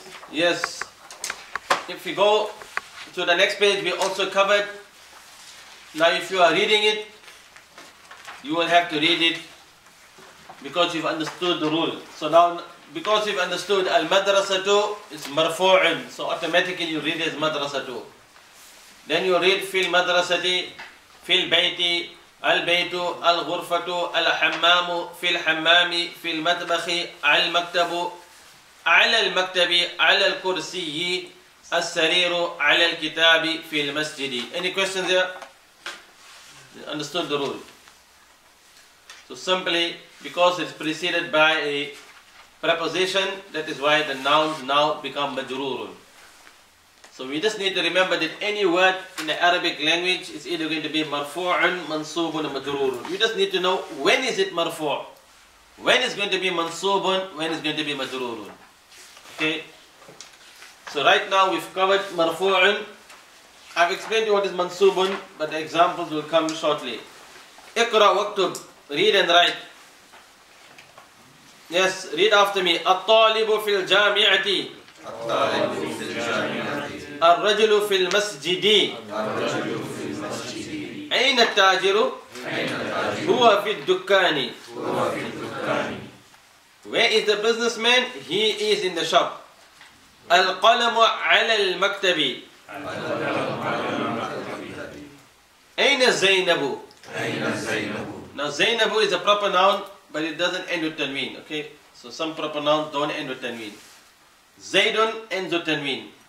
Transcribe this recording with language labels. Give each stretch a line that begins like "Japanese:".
English: Yes, if we go to the next page, we also covered. Now, if you are reading it, you will have to read it because you've understood the rule. So now, because you've understood al-madrasatu is marfu'un, so automatically you read it as madrasatu. Then you read
Arabic: fil madrasati, fil bayti, البيت الغرفة الحمام في الحمام في المطبخ على المكتب على المكتب على الكرسي السرير على الكتاب في المسجد.
English: Any questions there? Understood the rule. So simply because it's preceded by a preposition, that is why the nouns now become مجرور. So we just need to remember that any word in the Arabic language is either going to be marfu'un, mansubun, or majrurun. You just need to know when is it marfu', when is going to be mansubun, when is going to be majrurun. Okay? So right now we've covered marfu'un. I've explained to you what is mansubun, but the examples will come shortly.
Arabic: Iqra waktub,
English: read and write.
Arabic: Yes, read after me. At-talibu fil jami'ati. At-talibu fil jami'ati. الرجل في المسجد أين التاجر هو في الدكان
English: Where is the businessman? He is in the shop.
Arabic: القلم على المكتب أين زينب
English: Now زينب is a proper noun but it doesn't end with تنوين. Okay, so some proper nouns don't end with تنوين. زيدون ends with تنوين.